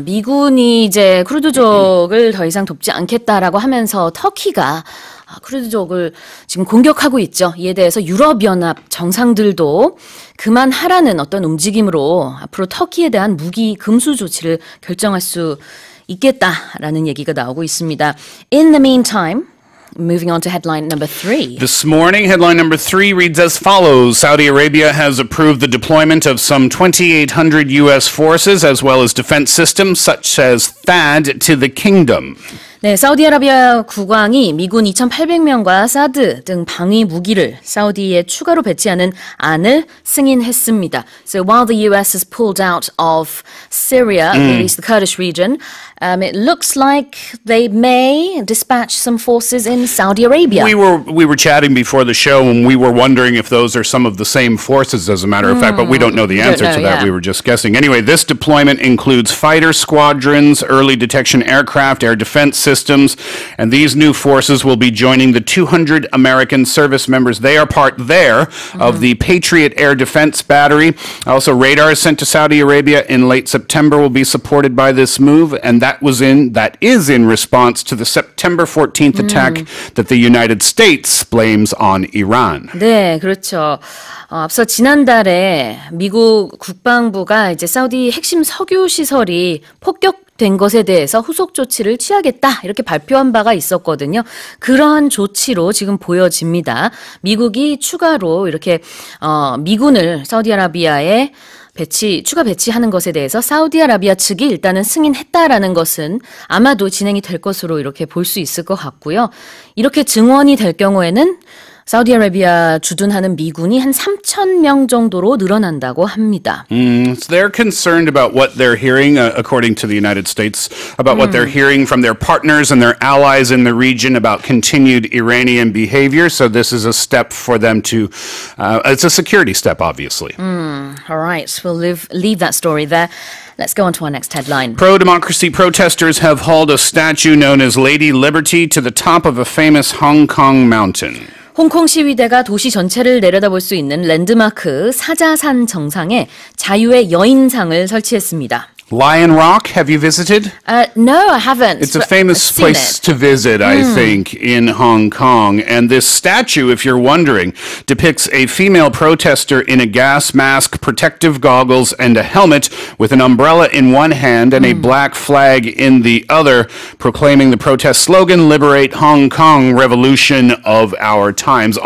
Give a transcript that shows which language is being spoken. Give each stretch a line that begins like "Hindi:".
Korean: 미군이 이제 쿠르드족을 더 이상 돕지 않겠다라고 하면서 터키가 쿠르드족을 지금 공격하고 있죠. 이에 대해서 유럽연합 정상들도 그만하라는 어떤 움직임으로 앞으로 터키에 대한 무기 금수 조치를 결정할 수 있겠다라는 얘기가 나오고 있습니다.
English: In the meantime, moving on to headline number three. This morning, headline number three reads as follows. Saudi Arabia has approved the deployment of some 2,800 U.S. forces as well as defense systems such as THAAD to the kingdom.
Korean: 네, 사우디아라비아 국왕이 미군 2,800명과 사드 등 방위 무기를 사우디에 추가로 배치하는 안을 승인했습니다.
English: So while the US has pulled out of Syria, at least the Kurdish region, it looks like they may dispatch some forces in Saudi Arabia. We were chatting before the show and we were wondering if those are some of the same forces, as a matter of fact, but we don't know the answer to that. We were just guessing. Anyway, this deployment includes fighter squadrons, early detection aircraft, air defense systems, and these new forces will be joining the 200 American service members. They are part there of the Patriot Air Defense Battery. Also, radars sent to Saudi Arabia in late September will be supported by this move, and that is in response to the September 14th attack that the United States blames on Iran.
Korean: 네, 그렇죠. 앞서 지난달에 미국 국방부가 이제 사우디 핵심 석유 시설이 폭격 된 것에 대해서 후속 조치를 취하겠다 이렇게 발표한 바가 있었거든요. 그러한 조치로 지금 보여집니다. 미국이 추가로 이렇게 미군을 사우디아라비아에 추가 배치하는 것에 대해서 사우디아라비아 측이 일단은 승인했다라는 것은 아마도 진행이 될 것으로 이렇게 볼 수 있을 것 같고요. 이렇게 증원이 될 경우에는 사우디아라비아 주둔하는 미군이 한 3천 명 정도로 늘어난다고 합니다.
English: So they're concerned about what they're hearing, according to the United States, about what they're hearing from their partners and their allies in the region about continued Iranian behavior. So this is a step for them to, it's a security step, obviously. All right, we'll leave that story there. Let's go on to our next headline. Pro-democracy protesters have hauled a statue known as Lady Liberty to the top of a famous Hong Kong mountain.
Korean: 홍콩 시위대가 도시 전체를 내려다볼 수 있는 랜드마크 사자산 정상에 자유의 여인상을 설치했습니다.
English: Lion Rock, have you visited? No, I haven't. It's a famous place to visit, I think, in Hong Kong. And this statue, if you're wondering, depicts a female protester in a gas mask, protective goggles, and a helmet with an umbrella in one hand and a black flag in the other, proclaiming the protest slogan, Liberate Hong Kong, Revolution of Our Times.